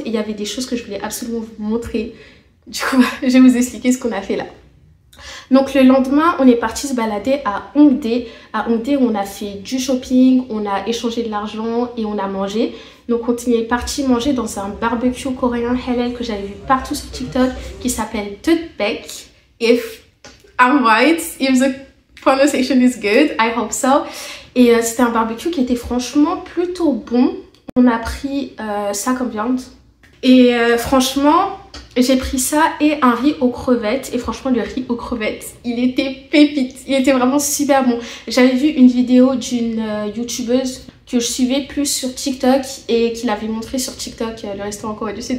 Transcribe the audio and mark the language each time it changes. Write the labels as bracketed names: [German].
[French] Et il y avait des choses que je voulais absolument vous montrer. Du coup, je vais vous expliquer ce qu'on a fait là. Donc le lendemain, on est parti se balader à Hongdae. À Hongdae, on a fait du shopping, on a échangé de l'argent et on a mangé. Donc on est parti manger dans un barbecue coréen halal que j'avais vu partout sur TikTok qui s'appelle Teutbeok. [English] If I'm right, if the pronunciation is good, I hope so. [French] Et c'était un barbecue qui était franchement plutôt bon. On a pris ça comme viande. Et franchement, j'ai pris ça et un riz aux crevettes. Et franchement, le riz aux crevettes, il était pépite. Il était vraiment super bon. J'avais vu une vidéo d'une youtubeuse que je suivais plus sur TikTok et qui l'avait montré sur TikTok, le restaurant Corée du Sud.